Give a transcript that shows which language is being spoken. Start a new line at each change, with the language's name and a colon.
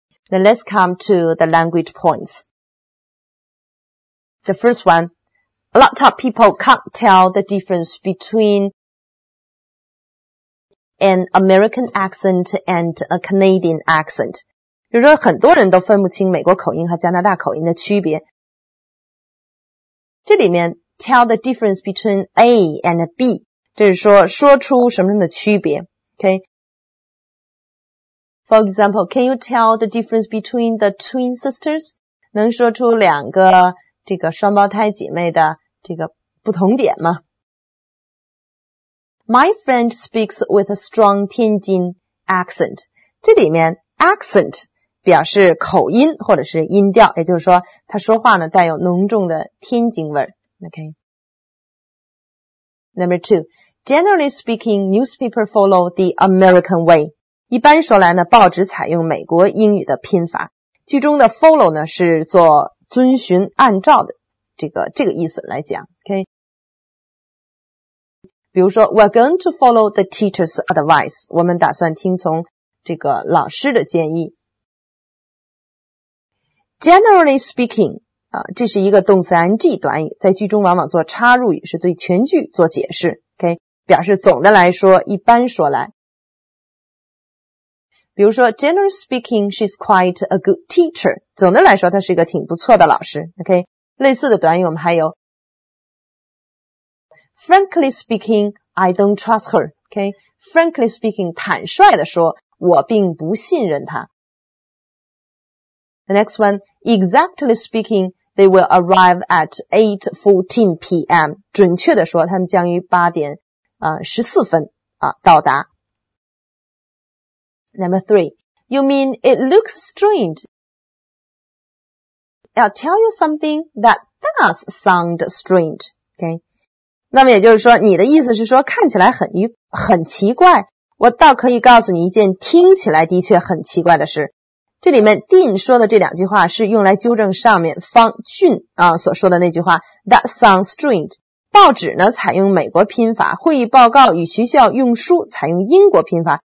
English: Now let's come to the language points. The first one, a lot of people can't tell the difference between an American accent and a Canadian accent.
Chinese: 比如说很多人都分不清美国口音和加拿大口音的区别。这里面
English: tell the difference between A and B,
Chinese: 就是说说出什么什么的区别 ,
English: okay? For example, can you tell the difference between the twin sisters?
Chinese: 能说出两个这个双胞胎姐妹的这个不同点吗?
English: My friend speaks with a strong 天津 accent.
Chinese: 这里面 accent,表示口音或者是音调，也就是说他说话呢带有浓重的天津味。
English: Okay. Number two, generally speaking, newspaper follow the American way.
Chinese: 一般说来呢，报纸采用美国英语的拼法。句中的 follow 呢是做遵循按照的这个意思来讲。
English: Okay.
Chinese: 比如说
English: ,we're going to follow the teacher's advice.
Chinese: 我们打算听从这个老师的建议。
English: Generally speaking,
Chinese: 这是一个动词 ing 短语，在句中往往做插入语，是对全句做解释。
English: Okay,
Chinese: 表示总的来说，一般说来。比如说
English: ,generally speaking, she's quite a good teacher.
Chinese: 总的来说，她是一个挺不错的老师。
English: Okay,
Chinese: 类似的短语我们还有
English: ,frankly speaking, I don't trust her. Okay, frankly speaking,
Chinese: 坦率地说，我并不信任她。
English: The next one, exactly speaking, they will arrive at 8:14 p.m.
Chinese: 准确地说他们将于8点14分到达。
English: Number three, you mean it looks strange? I'll tell you something that does sound strange, okay?
Chinese: 那么也就是说你的意思是说看起来很奇怪。我倒可以告诉你一件听起来的确很奇怪的事。这里面 Dean 说的这两句话是用来纠正上面方俊所说的那句话
English: That sounds strange.
Chinese: 报纸呢采用美国拼法，会议报告与学校用书采用英国拼法。